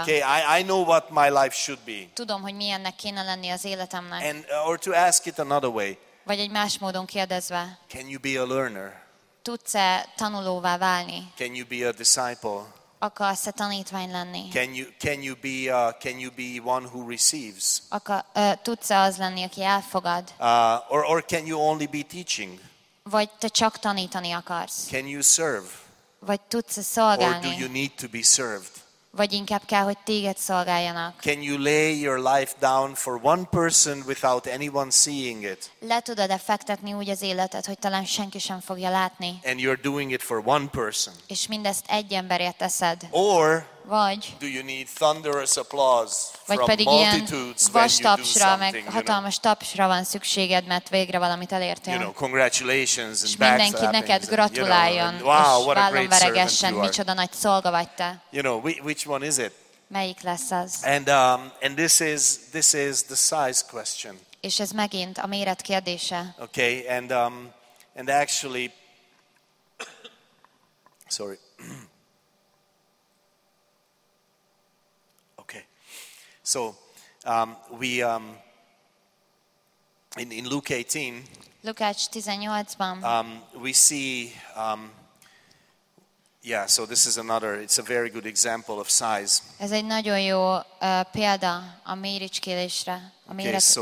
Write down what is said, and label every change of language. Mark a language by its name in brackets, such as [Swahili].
[English] Okay, I know what my life should be. [Hungarian] Tudom, hogy milyennek kéne lenni az életemnek. [English] And or to ask it another way. [Hungarian] Vagy egy más módon kérdezve. [English] Can you be a learner? [Hungarian] Tudsz-e tanulóvá válni? [English] Can you be a disciple? [Hungarian] akarsz a tanítvány lenni? [English] Can you be one who receives? [Hungarian] Tudsz az lenni, aki elfogad? [English] Or can you only be teaching? [Hungarian] Vagy te csak tanítani akarsz? [English] Can you serve? [Hungarian] Vagy tudsz szolgálni? [English] Or do you need to be served? [Hungarian] Vagy inkább kell, hogy téged szolgáljanak. [English] Can you lay your life down for one person without anyone seeing it? [Hungarian] Le tudod-e fektetni úgy az életed, hogy talán senki sem fogja látni? [English] And you're doing it for one person. [Hungarian] És mindezt egy emberért teszed. [English] Or [Hungarian] vagy, [English] do you need thunderous applause [Hungarian] vagy [English] from [Hungarian] pedig [English] multitudes [Hungarian] ilyen vas tapsra, [English] you do [Hungarian] meg hatalmas [English] you know? [Hungarian] Tapsra van szükséged, mert végre valamit elértél. [English] You know, congratulations and [Hungarian] és mindenki neked gratuláljon, [English] and, you know, and, wow, [Hungarian] és vállon veregessen, micsoda nagy szolga vagy te. [English] You know, which one is it? [Hungarian] Melyik lesz az? [English] And this is the size question. [Hungarian] És ez megint a méret kérdése. [English] Okay, and actually, sorry. So we in Luke 18, [Hungarian] Lukács 18-ban, [English] we see so this is another, it's a very good example of size. [Hungarian] Ez egy nagyon jó példa a méricskélésre, a méretre.